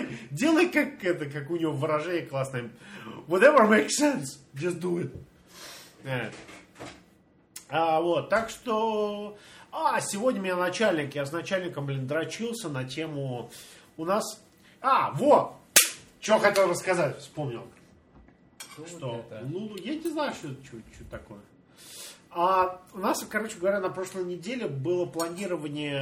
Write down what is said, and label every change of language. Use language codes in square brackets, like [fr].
[ru] Делай, как это, как у него выражение классное. [en] Whatever makes sense, just do it. [ru] А вот, так что... А, сегодня у меня начальник, я с начальником, блин, дрочился на тему у нас... А, вот, что хотел рассказать, вспомнил. Что? Лулу? Я не знаю, что такое. А у нас, короче говоря, на прошлой неделе было планирование...